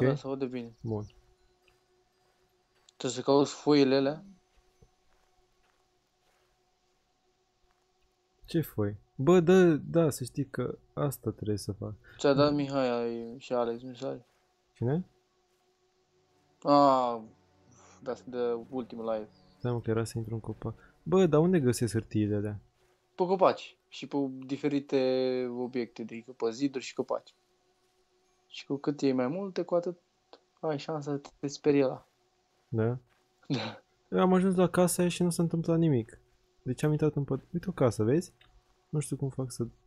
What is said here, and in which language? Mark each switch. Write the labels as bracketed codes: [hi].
[ro] se aude bine. Bun. Trebuie să cauți foile alea. Ce foi? Bă, da, să știi că asta trebuie să fac. Ți-a dat Mihai și Alex mesaj? Cine? [en] Ah, that's the ultimate live. [ro] Stai mă, că era să intru în copac. Bă, dar unde găsesc hârtiile alea? Pe copaci și pe diferite obiecte, adică pe ziduri și copaci. Și cu cât iei mai multe, cu atât ai șansa să te sperie la. Da? Da. Eu am ajuns la casa aia și nu s-a întâmplat nimic. Deci am intrat în pădure. Uite o casă, vezi? Nu știu cum fac să